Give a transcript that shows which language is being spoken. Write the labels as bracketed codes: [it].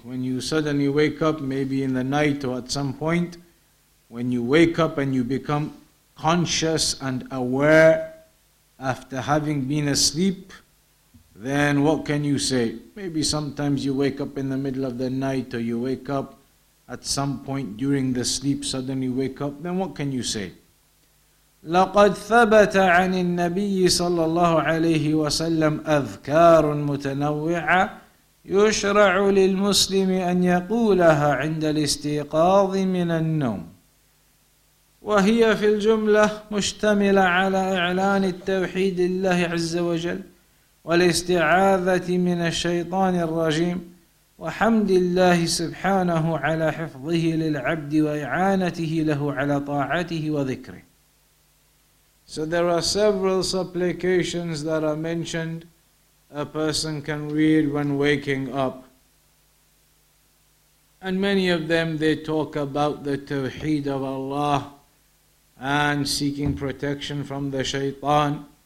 [en] When you suddenly wake up, maybe in the night or at some point, when you wake up and you become conscious and aware after having been asleep, then what can you say? Maybe sometimes you wake up in the middle of the night, or you wake up at some point during the sleep, suddenly wake up, then what can you say? [ar] لقد ثبت عن النبي صلى الله عليه وسلم أذكار متنوعة يشرع للمسلم أن يقولها عند الاستيقاظ من النوم وهي في الجملة مشتملة على إعلان التوحيد لله عز وجل والاستعاذة من الشيطان الرجيم وحمد الله سبحانه على حفظه للعبد وإعانته له على طاعته وذكره. [en] So there are several supplications that are mentioned a person can read when waking up. And many of them, they talk about the Tawheed of Allah and seeking protection from the shaitan.